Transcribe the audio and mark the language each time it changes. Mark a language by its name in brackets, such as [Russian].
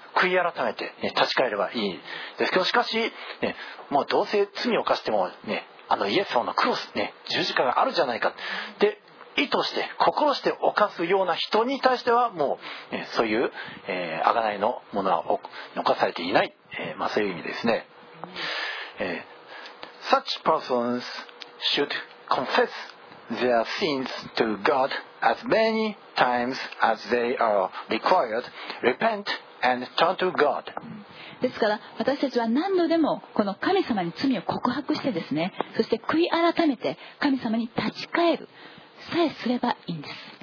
[Japanese] 悔い改めて、ね、立ち返ればいいですけど、しかし、ね、もうどうせ罪を犯しても、ね、あのイエス様のクロス、ね、十字架があるじゃないかで意図して心して犯すような人に対してはもう、ね、そういう、贖いのものは残されていない、まあ、そういう意味ですね。 [English] Such persons should confessTheir sins to God as many times as they are required, repent and turn to God. [Japanese] ですから私たちは何度でもこの神様に罪を告白してですね、そして悔い改めて神様に立ち返るさえすればいいんです。